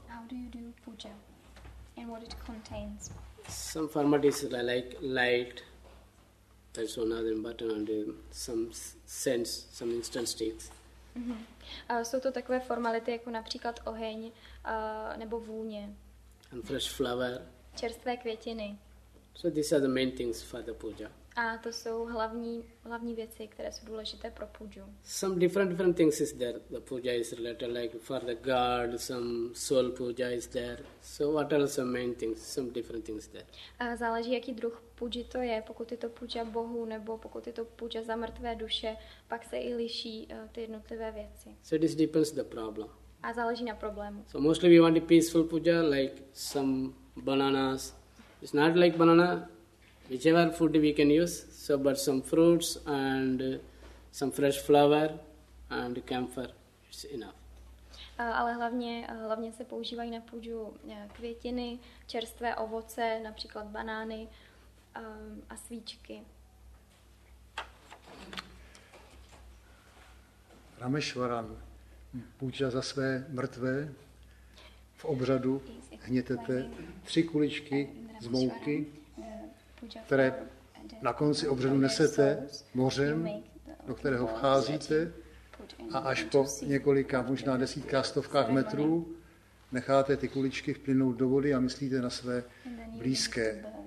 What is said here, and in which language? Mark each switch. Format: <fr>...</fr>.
<en>How do you do puja? And what it contains? Some formalities like light, there's another button and some sense, some incense sticks.</en> <cs>A jsou to takové formality jako například oheň nebo vůně.</cs> <en>And fresh flower.</en> <cs>Čerstvé květiny.</cs> <en>So these are the main things for the puja.</en> <cs>A to jsou hlavní věci, které jsou důležité pro puju.</cs> <en>Some different things is there. The puja is related like for the god, some soul puja is there. So what are some main things? Some different things there.</en> <cs>A záleží, jaký druh puji to je. Pokud je to puja bohu nebo pokud je to puja za mrtvé duše, pak se i liší ty jednotlivé věci.</cs> <en>So this depends the problem.</en> <cs>A záleží na problému.</cs> <en>So mostly we want a peaceful puja like some bananas. It's not like banana. Whichever food we can use, so but some fruits and some fresh flower and camphor is enough.</en> <cs>Ale hlavně se používají na půdu květiny, čerstvé ovoce, například banány a svíčky. Rameshwaran půjča za své mrtvé v obřadu hnětete tři kuličky z mouky, které na konci obřadu nesete mořem, do kterého vcházíte a až po několika, možná desítka, stovkách metrů necháte ty kuličky vplynout do vody a myslíte na své blízké.</cs>